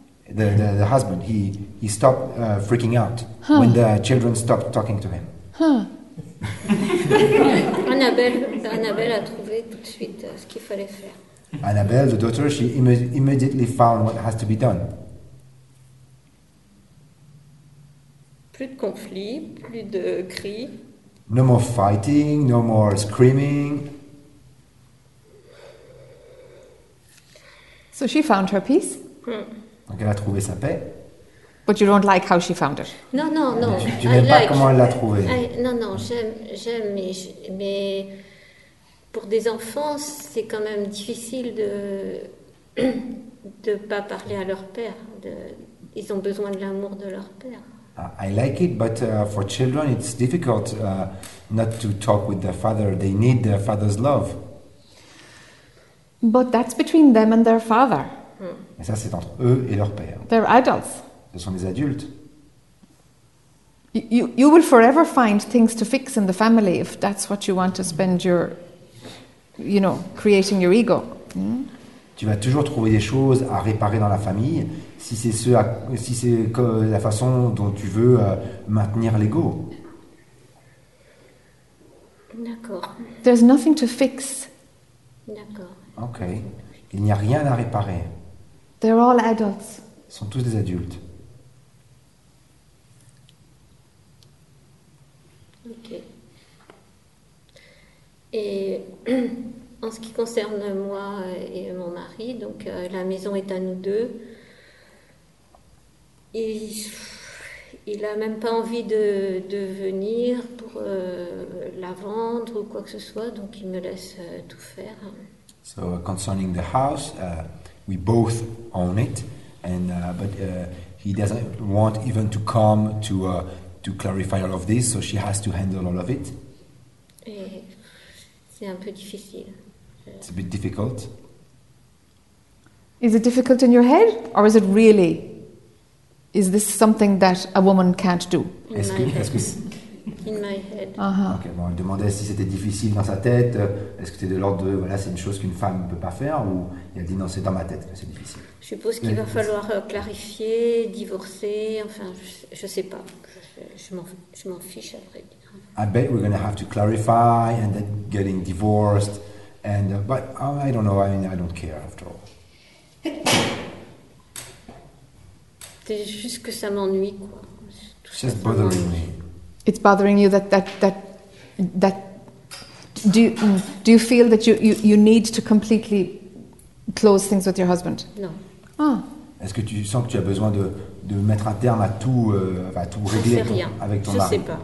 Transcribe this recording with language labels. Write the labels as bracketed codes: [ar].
[en] The husband, he stopped freaking out when the children stopped talking to him. Huh. [fr] Annabelle a trouvé tout de suite ce qu'il fallait faire. [en] Annabelle, the daughter, she immediately found what has to be done. [fr] Plus de conflits, plus de cris. [en] No more fighting, no more screaming. So she found her peace. [fr] Mm. Donc elle a trouvé sa paix. [en] But you don't like how she found it. [fr] Non. Tu n'aimes pas comment elle l'a trouvé. Non, j'aime, mais pour des enfants, c'est quand même difficile de pas parler à leur père. Ils ont besoin de l'amour de leur père. [en] I like it, but for children, it's difficult not to talk with their father. They need their father's love. But that's between them and their father. Mm. [fr] Et ça, c'est entre eux et leur père. [en] They're adults. [fr] Ce sont des adultes. [en] You will forever find things to fix in the family if that's what you want to spend your, you know, creating your ego. Mm? [fr] Tu vas toujours trouver des choses à réparer dans la famille si c'est ce à, si c'est la façon dont tu veux maintenir l'ego. D'accord. [en] There's nothing to fix. [fr] D'accord. Okay. Il n'y a rien à réparer. [en] They're all adults. [fr] Ils sont tous des adultes. [en] Ok. [fr] Et en ce qui concerne moi et mon mari, donc la maison est à nous deux. Il a même pas envie de venir pour la vendre ou quoi que ce soit, donc il me laisse tout faire. [en] So concerning the house, we both own it, and but he doesn't want even to come to clarify all of this, so she has to handle all of it. [fr] C'est un peu difficile. [en] It's a bit difficult. Is it difficult in your head, or is it really? Is this something that a woman can't do? In my head. Uh-huh. [fr] Okay, bon, elle demandait si c'était difficile dans sa tête. Est-ce que c'est de l'ordre de voilà, c'est une chose qu'une femme ne peut pas faire, ou il a dit non, c'est dans ma tête que c'est difficile. Je suppose qu'il va falloir clarifier, divorcer, enfin, je sais pas. Je m'en fiche à vrai dire. [en] I bet we're going to have to clarify and then getting divorced. And but I don't know. I mean, I don't care after all. [fr] C'est juste que ça m'ennuie, quoi. [en] It's just bothering me. It's bothering you that do you feel that you need to completely close things with your husband? [fr] Non. Ah. Est-ce que tu sens que tu as besoin de mettre un terme à tout régler avec ton mari?